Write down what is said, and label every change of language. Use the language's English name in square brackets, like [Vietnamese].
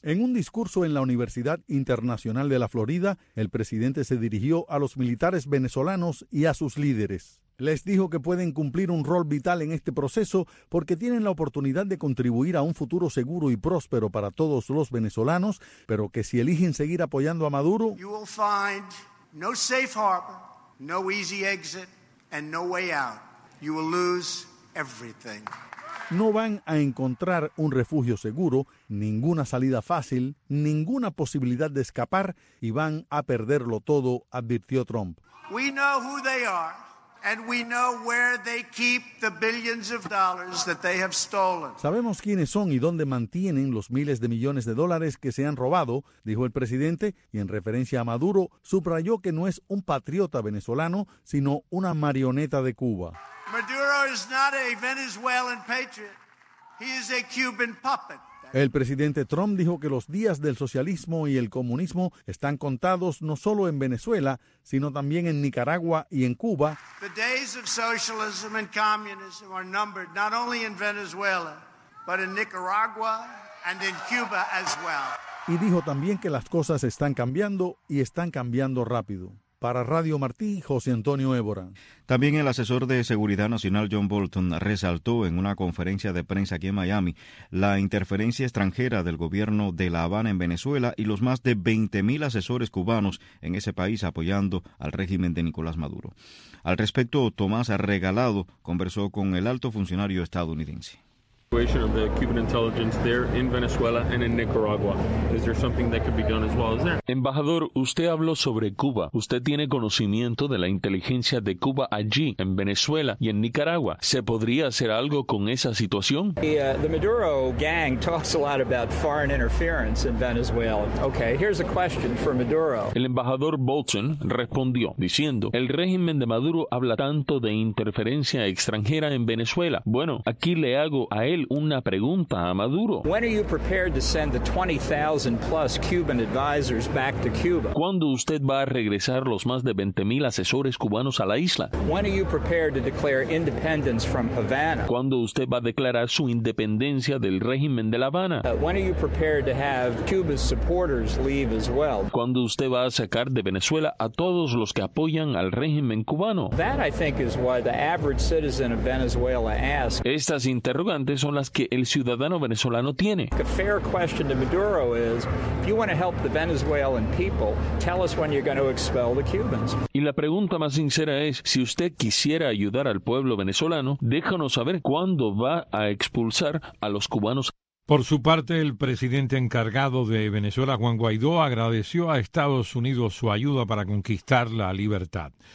[Spanish] En un discurso en la Universidad Internacional de la Florida, el presidente se dirigió a los militares venezolanos y a sus líderes. Les dijo que pueden cumplir un rol vital en este proceso porque tienen la oportunidad de contribuir a un futuro seguro y próspero para todos los venezolanos, pero que si eligen seguir apoyando a Maduro, [English] you will find no safe harbor, no easy exit, and no way out. You will lose everything. [Spanish] No van a encontrar un refugio seguro, ninguna salida fácil, ninguna posibilidad de escapar y van a perderlo todo, advirtió Trump. [English] We know who they are. And we know where they keep the billions of dollars that they have stolen. [Spanish] Sabemos quiénes son y dónde mantienen los miles de millones de dólares que se han robado, dijo el presidente, y en referencia a Maduro, subrayó que no es un patriota venezolano, sino una marioneta de Cuba. [English] Maduro is not a Venezuelan patriot. He is a Cuban puppet. [Spanish] El presidente Trump dijo que los días del socialismo y el comunismo están contados no solo en Venezuela, sino también en Nicaragua y en Cuba. [English] The days of socialism and communism are numbered not only in Venezuela, but in Nicaragua and in Cuba as well. [Spanish] Y dijo también que las cosas están cambiando y están cambiando rápido. Para Radio Martí, José Antonio Évora. También el asesor de Seguridad Nacional John Bolton resaltó en una conferencia de prensa aquí en Miami la interferencia extranjera del gobierno de La Habana en Venezuela y los más de 20.000 asesores cubanos en ese país apoyando al régimen de Nicolás Maduro. Al respecto, Tomás Regalado conversó con el alto funcionario estadounidense. [English] The situation of the Cuban intelligence there in Venezuela and in Nicaragua. Is there something that could be done as well as there? [Spanish] Embajador, usted habló sobre Cuba. Usted tiene conocimiento de la inteligencia de Cuba allí, en Venezuela y en Nicaragua. ¿Se podría hacer algo con esa situación? [English] The Maduro gang talks a lot about foreign interference in Venezuela. Okay, here's a question for Maduro. [Spanish] El embajador Bolton respondió diciendo, el régimen de Maduro habla tanto de interferencia extranjera en Venezuela. Bueno, aquí le hago a él una pregunta a Maduro. [English] When are you prepared to send the 20,000 plus Cuban advisors back to Cuba? [Spanish] ¿Cuándo usted va a regresar los más de 20,000 asesores cubanos a la isla? [English] When are you prepared to declare independence from Havana? [Spanish] ¿Cuándo usted va a declarar su independencia del régimen de La Habana? [English] When are you prepared to have Cuba's supporters leave as well? [Spanish] ¿Cuándo usted va a sacar de Venezuela a todos los que apoyan al régimen cubano? [English] That I think is what the average citizen of Venezuela asks. [Spanish] Estas interrogaciones son las que el ciudadano venezolano tiene. [English] A fair question to Maduro is, if you want to help the Venezuelan people, tell us when you're going to expel the Cubans. [Spanish] Y la pregunta más sincera es, si usted quisiera ayudar al pueblo venezolano, déjanos saber cuándo va a expulsar a los cubanos. Por su parte, el presidente encargado de Venezuela, Juan Guaidó, agradeció a Estados Unidos su ayuda para conquistar la libertad.